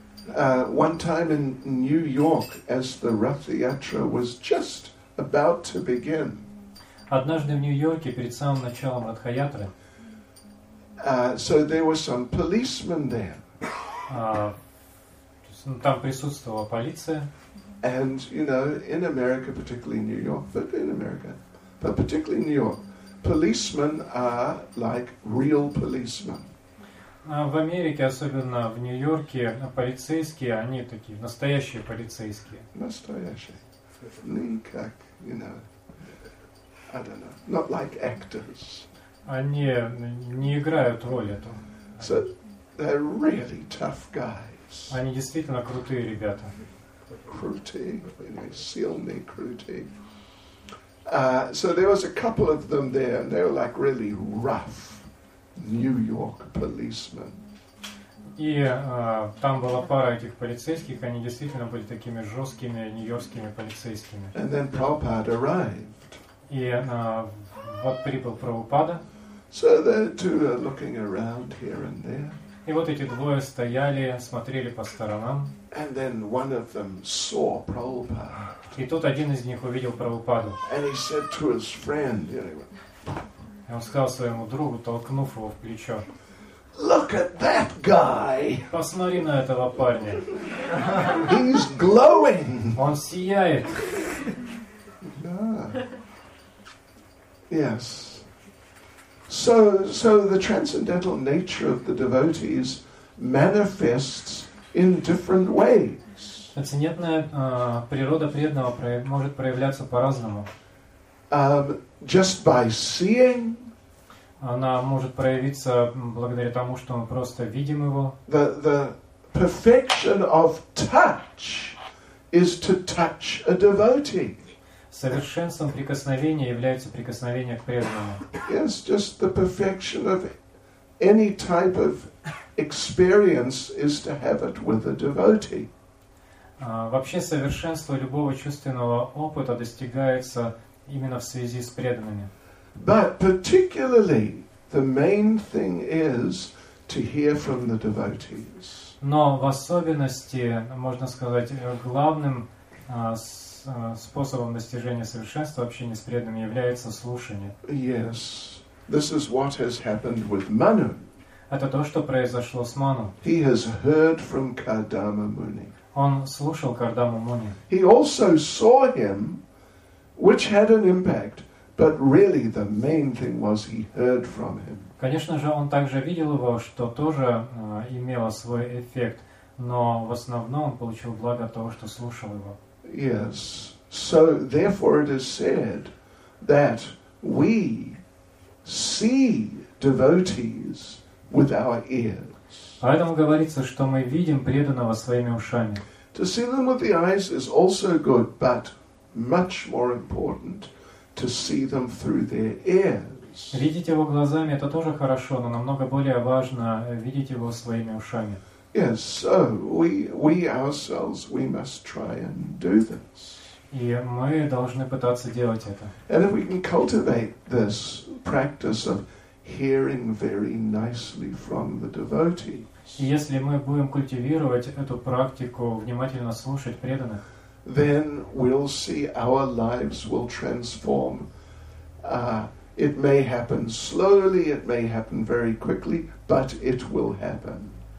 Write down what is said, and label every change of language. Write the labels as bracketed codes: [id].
[en] One time in New York, as the Rath Yatra was just about to begin. [ru] Однажды в Нью-Йорке перед самым началом Ратха Ятры. [en] So there were some policemen there. [ru] Там присутствовала полиция. [en] And you know, in America, particularly New York, but in America, but particularly New York, policemen are like real policemen. [ru] В Америке, особенно в Нью-Йорке, полицейские, они такие настоящие полицейские. Настоящие. Не как, [en] you know, I don't know, not like actors. [ru] Они не играют роль эту. [en] So they're really tough guys. [ru] Они действительно крутые ребята. Крутые, [en] you know, [ru] сильные, крутые. [en] So there was a couple of them there, and they were like really rough. New York policeman. [ru] И там была пара этих полицейских, они действительно были такими жесткими нью-йоркскими полицейскими. [en] And then Prabhupada arrived. [ru] И вот прибыл Прабхупада. [en] So the two are looking around here and there. [ru] И вот эти двое стояли, смотрели по сторонам. [en] And then one of them saw Prabhupada. [ru] И тут один из них увидел Прабхупаду. [en] And he said to his friend, anyway. [ru] И он сказал своему другу, толкнув его в плечо. [en] Look at that guy. [ru] Посмотри на этого парня. [en] He's glowing. [ru] Он сияет. [en] Yeah. Yes. So the transcendental nature of the devotees manifests in different ways. [ru] Трансцендентная природа преданного может проявляться по-разному. [en] Just by seeing. [ru] Она может проявиться благодаря тому, что мы просто видим его. [en] The perfection of touch is to touch a devotee. [ru] Совершенством прикосновения является прикосновение к преданному. [en] Yes, just the perfection of any type of experience is to have it with a devotee. [ru] Вообще совершенство любого чувственного опыта достигается именно в связи с преданными. [en] But particularly the main thing is to hear from the devotees. [ru] Но в особенности, можно сказать, главным способом достижения совершенства общения с преданными является слушание. [en] Yes. This is what has happened with Manu. [ru] Это то, что произошло с Ману. [en] He has heard from Kardama Muni. [ru] Он слушал Кардаму Муни. [en] He also saw him, which had an impact. But really, the main thing was he heard from him. [ru] Конечно же, он также видел его, что тоже имело свой эффект. Но в основном он получил благо от того, что слушал его. [en] Yes. So therefore, it is said that we see devotees with our ears. [ru] Поэтому говорится, что мы видим преданного своими ушами. [en] To see them with the eyes is also good, but much more important. To see them through their ears. [ru] Видеть его глазами это тоже хорошо, но намного более важно видеть его своими ушами. [en] Yes, so we ourselves we must try and do this. [ru] И мы должны пытаться делать это. [en] And if we can cultivate this practice of hearing very nicely from the devotees. [ru] Если мы будем культивировать эту практику внимательно слушать преданных. [en] Then we'll see our lives will transform. It may happen slowly, it may happen very quickly, but it will happen.